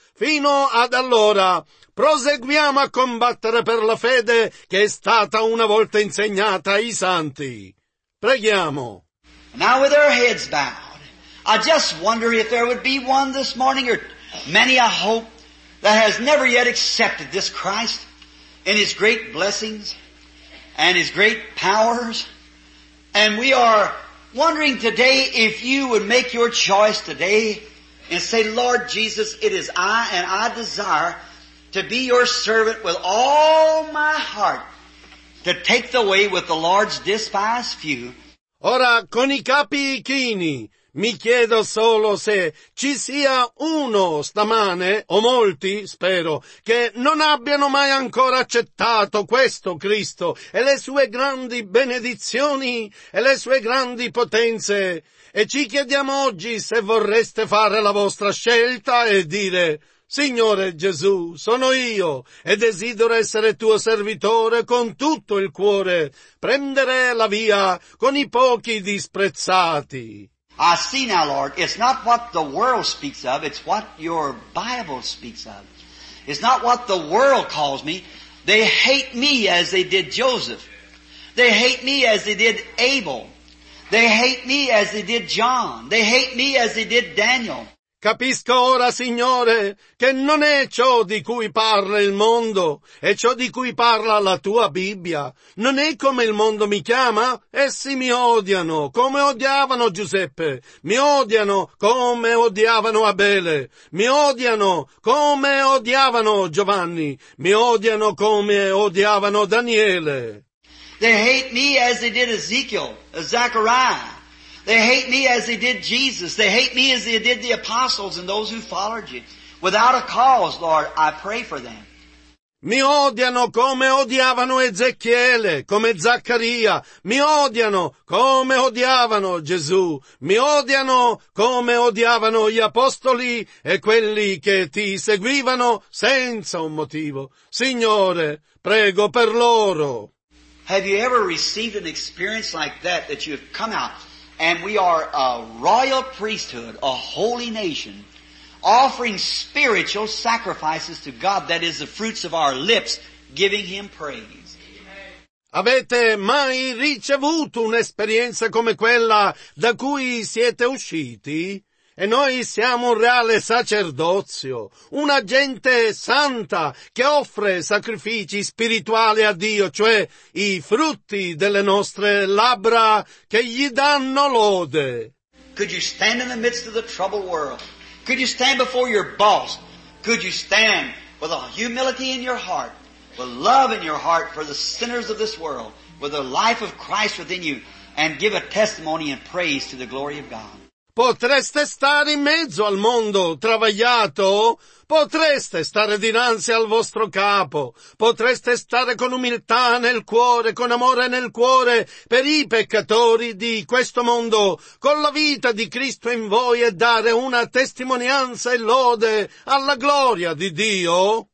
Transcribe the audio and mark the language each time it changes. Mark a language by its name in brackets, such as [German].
[Italian] Fino ad allora proseguiamo a combattere per la fede che è stata una volta insegnata ai santi. Preghiamo. [English] Now with our heads bowed, I just wonder if there would be one this morning, or many I hope, that has never yet accepted this Christ in His great blessings and His great powers. And we are wondering today if you would make your choice today and say, Lord Jesus, it is I, and I desire to be your servant with all my heart, to take the way with the Lord's despised few. [Italian] Ora, con i capi chini, mi chiedo solo se ci sia uno stamane, o molti, spero, che non abbiano mai ancora accettato questo Cristo e le sue grandi benedizioni e le sue grandi potenze. E ci chiediamo oggi se vorreste fare la vostra scelta e dire: Signore Gesù, sono io e desidero essere tuo servitore con tutto il cuore, prendere la via con i pochi disprezzati. [English] I see now, Lord, it's not what the world speaks of, it's what your Bible speaks of. It's not what the world calls me. They hate me as they did Joseph. They hate me as they did Abel. They hate me as they did John. They hate me as they did Daniel. [Italian] Capisco ora, Signore, che non è ciò di cui parla il mondo, è ciò di cui parla la tua Bibbia. Non è come il mondo mi chiama? Essi mi odiano, come odiavano Giuseppe. Mi odiano, come odiavano Abele. Mi odiano, come odiavano Giovanni. Mi odiano, come odiavano Daniele. [English] They hate me as they did Ezekiel, Zechariah. They hate me as they did Jesus. They hate me as they did the apostles and those who followed you. Without a cause, Lord, I pray for them. [Italian] Mi odiano come odiavano Ezechiele, come Zaccaria. Mi odiano come odiavano Gesù. Mi odiano come odiavano gli apostoli e quelli che ti seguivano senza un motivo. Signore, prego per loro. [English] Have you ever received an experience like that you have come out And we are a royal priesthood, a holy nation, offering spiritual sacrifices to God, that is the fruits of our lips, giving Him praise. [Italian] Avete mai ricevuto un'esperienza come quella da cui siete usciti? E noi siamo un reale sacerdozio, una gente santa che offre sacrifici spirituali a Dio, cioè i frutti delle nostre labbra che gli danno lode. [English] Could you stand in the midst of the troubled world? Could you stand before your boss? Could you stand with a humility in your heart, with love in your heart for the sinners of this world, with the life of Christ within you, and give a testimony and praise to the glory of God? [Italian] Potreste stare in mezzo al mondo travagliato? Potreste stare dinanzi al vostro capo? Potreste stare con umiltà nel cuore, con amore nel cuore per i peccatori di questo mondo, con la vita di Cristo in voi e dare una testimonianza e lode alla gloria di Dio?